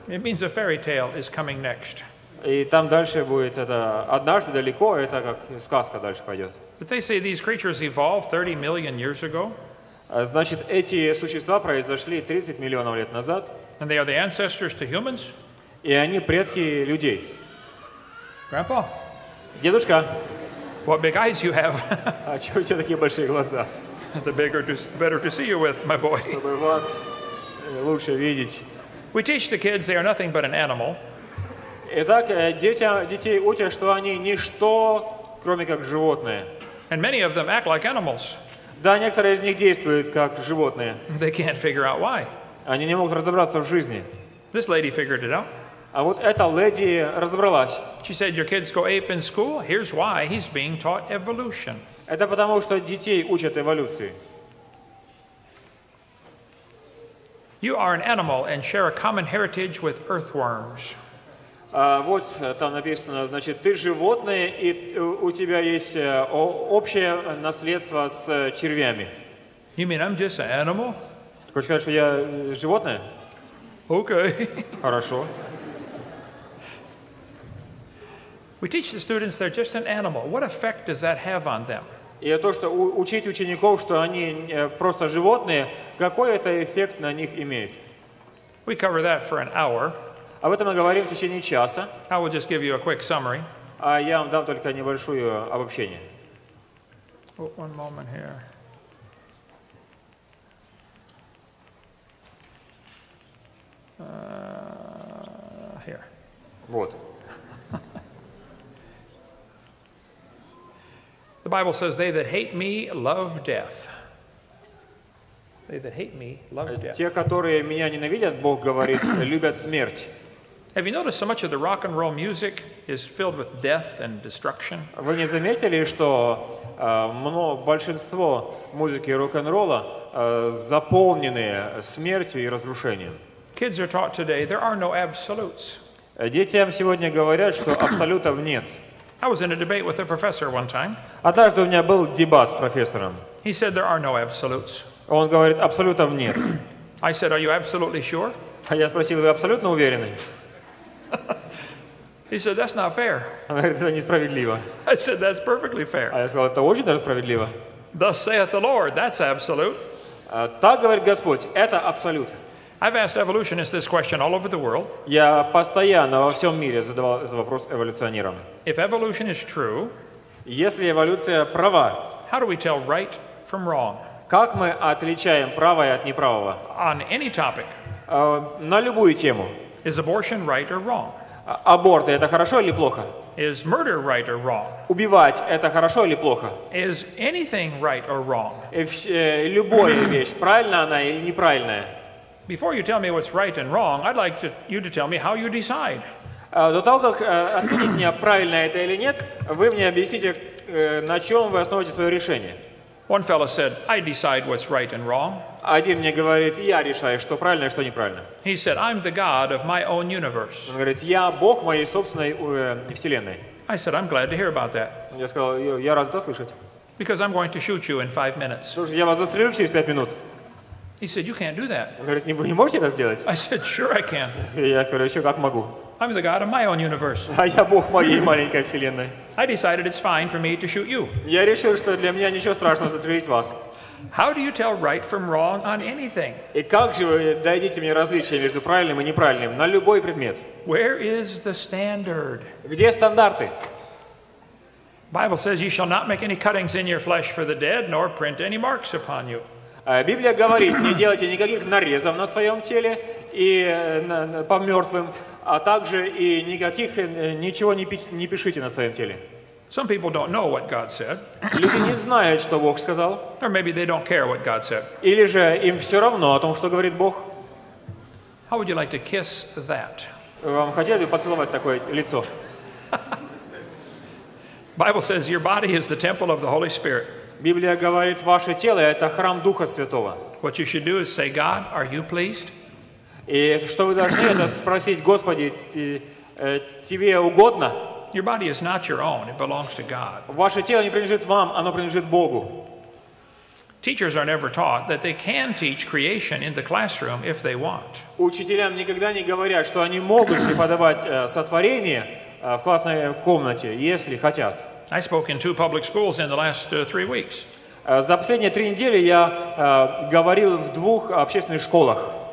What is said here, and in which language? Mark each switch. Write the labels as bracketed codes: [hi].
[en] It means a fairy tale is coming next. [ru] И там дальше будет это однажды далеко, это как сказка дальше пойдет. [en] But they say these creatures evolved 30 million years ago. [ru] Значит, эти существа произошли 30 миллионов лет назад. [en] And they are the ancestors to humans. [ru] И они предки людей. [en] Grandpa? [ru] Дедушка? [en] What big eyes you have. [ru] А чего у тебя такие большие глаза? [en] The bigger, the better to see you with, my boy. [ru] Чтобы вас лучше видеть. [en] We teach the kids they are nothing but an animal. [ru] Итак, детей учат, что они ничто, кроме как животные. [en] And many of them act like animals. [ru] Да, некоторые из них действуют как животные. [en] They can't figure out why. [ru] Они не могут разобраться в жизни. [en] This lady figured it out. [ru] А вот эта леди разобралась. [en] She said, your kids go ape in school. Here's why. He's being taught evolution. [ru] Это потому, что детей учат эволюции. [en] You are an animal and share a common heritage with earthworms. [ru] Вот там написано, значит, ты животное, и у тебя есть общее наследство с червями. [en] You mean I'm just an animal? [ru] Хочешь сказать, что я животное? [en] Okay. [ru] Хорошо. [en] We teach the students they're just an animal. What effect does that have on them? [ru] И то, что учить учеников, что они просто животные, какой это эффект на них имеет? [en] We cover that for an hour. [ru] Об этом мы говорим в течение часа. [en] I will just give you a quick summary. [ru] А я вам дам только небольшое обобщение. [en] One moment here. Here. [ru] Вот. [en] The Bible says, "They that hate me love death." They that hate me love death. [ru] Те, которые меня ненавидят, Бог говорит, любят смерть. [en] Have you noticed so much of the rock and roll music is filled with death and destruction? [ru] Вы не заметили, что большинство музыки рок-н-ролла заполнены смертью и разрушением? [en] Kids are taught today there are no absolutes. [ru] Детям сегодня говорят, что абсолютов нет. [en] I was in a debate with a professor one time. [ru] Однажды у меня был дебат с профессором. [en] He said there are no absolutes. [ru] Он говорит, абсолютов нет. [en] I said, are you absolutely sure? [ru] А я спросил, вы абсолютно уверены? [en] He said, that's not fair. [ru] Он говорит, это несправедливо. [en] I said, that's perfectly fair. [ru] А я сказал, это очень даже справедливо. [en] Thus saith the Lord, that's absolute. [ru] Так говорит Господь, это абсолют. [en] I've asked evolutionists this question all over the world. [ru] Я постоянно во всем мире задавал этот вопрос эволюционерам. [en] If evolution is true, [ru] если эволюция права, [en] how do we tell right from wrong? [ru] Как мы отличаем правое от неправого? [en] On any topic. [ru] На любую тему. [en] Is abortion right or wrong? [ru] Аборты — это хорошо или плохо? [en] Is murder right or wrong? [ru] Убивать — это хорошо или плохо? [en] Is anything right or wrong? [ru] Любая вещь, правильно она или неправильная? [en] Before you tell me what's right and wrong, I'd like you to tell me how you decide. [ru] До того, как ответить мне, правильно это или нет, вы мне объясните, на чем вы основываете свое решение. [en] One fellow said, I decide what's right and wrong. [ru] Один мне говорит, я решаю, что правильно, что неправильно. [en] He said, I'm the God of my own universe. [ru] Он говорит, я Бог моей собственной вселенной. [en] I said, I'm glad to hear about that. [ru] Я сказал, я рад это слышать. [en] Because I'm going to shoot you in 5 minutes. [ru] Слушай, я вас застрелю через 5 минут. [en] He said, you can't do that. [ru] Он говорит, вы не можете это сделать? [en] I said, sure I can. [ru] Я говорю, еще как могу. [en] I'm the God of my own universe. [ru] А я Бог моей маленькой вселенной. [en] I decided it's fine for me to shoot you. [ru] Я решил, что для меня ничего страшного застрелить вас. [en] How do you tell right from wrong on anything? [ru] И как же вы дадите мне различие между правильным и неправильным на любой предмет? [en] Where is the standard? [ru] Где стандарты? [en] Bible says you shall not make any cuttings in your flesh for the dead, nor print any marks upon you. [ru] Библия говорит, не делайте никаких нарезов на своем теле и по мертвым, а также и никаких, ничего не пишите на своем теле. [en] Some people don't know what God said. [ru] Люди не знают, что Бог сказал. [en] Or maybe they don't care what God said. [ru] Или же им все равно о том, что говорит Бог. [en] How would you like to kiss that? [ru] Вам хотелось бы поцеловать такое лицо? [en] Bible says your body is the temple of the Holy Spirit. [ru] Библия говорит, ваше тело — это храм Духа Святого. [en] What you should do is say, God, are you pleased? [ru] И что вы должны это спросить, Господи, тебе угодно? [en] Your body is not your own; it belongs to God. [ru] Ваше тело не принадлежит вам, оно принадлежит Богу. [en] Teachers are never taught that they can teach creation in the classroom if they want. [ru] Учителям никогда не говорят, что они могут преподавать сотворение в классной комнате, если хотят. [en] I spoke in 2 public schools in the last 3 weeks. [ru] За последние 3 недели я говорил в 2 общественных школах.